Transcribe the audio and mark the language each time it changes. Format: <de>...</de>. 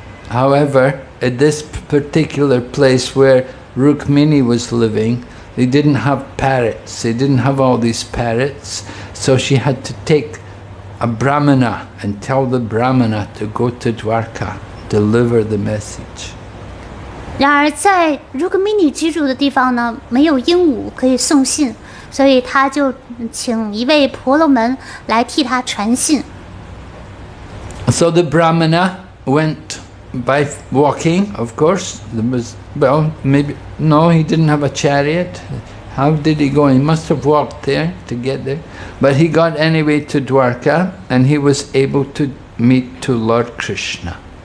<en>However, at this particular place where Rukmini was living, they didn't have parrots. They didn't have all these parrots, so she had to take a brahmana and tell the brahmana to go to Dwarka, deliver the message.</en> <zh>然而在 Rukmini 居住的地方呢，没有鹦鹉可以送信，所以他就请一位婆罗门来替他传信。</zh> <en>So the brahmana went by walking, of course. There was, well, maybe, no, he didn't have a chariot. How did he go? He must have walked there to get there. But he got anyway to Dwarka, and he was able to meet to Lord Krishna.</en>